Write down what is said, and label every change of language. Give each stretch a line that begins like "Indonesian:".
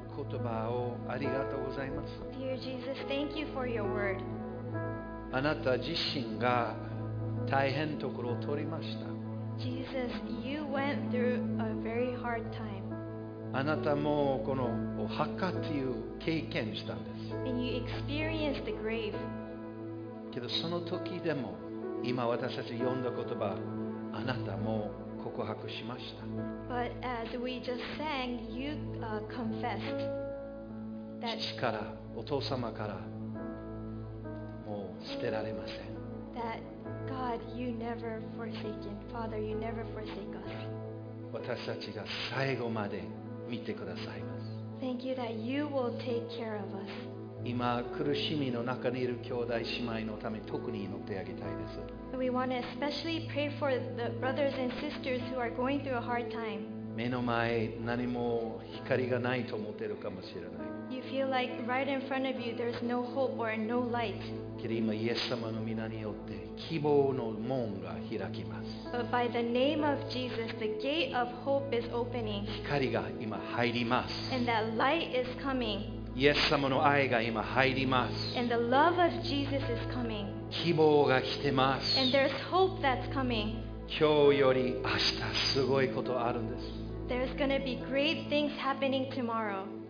Japanese: 言葉をありがとうございます。
English: Dear Jesus, thank you for your word.
Japanese: あなた自身が大変ところを通りました。
English: Jesus, you went through a very hard time.
Japanese: あなたもこの墓という経験したんです。
English: And you experienced the grave.
Japanese: けどその時でも今私たち読んだ言葉あなたも告白しました。
English: But as we just sang, you confessed
Japanese: that 父からお父様からもう捨てられません。
English: That God, you never forsaken. Father, you never forsake us.
Japanese: 私たちが最後まで見てくださいます。
English: Thank you that you will take care of us.
Japanese: 今苦しみの中にいる兄弟姉妹のため特に祈ってあげたいです。
English: We want to especially pray for the brothers and sisters who are going through a hard time.
Japanese: 目の前何も光がないと思っているかもしれない。
English: You feel like right in front of you there's no hope or no light.
Japanese: けど今イエス様の御名によって希望の門が開きます。
English: But by the name of Jesus, the gate of hope is opening.
Japanese: 光が今入ります。
English: And that light is coming.
Japanese: イエス様の愛が今入ります。
English: And the love of Jesus is coming.
Japanese: 希望が来てます。
English: And there's hope that's coming.
Japanese: 今日より明日すごいことあるんです。
English: There's going to be great things happening tomorrow.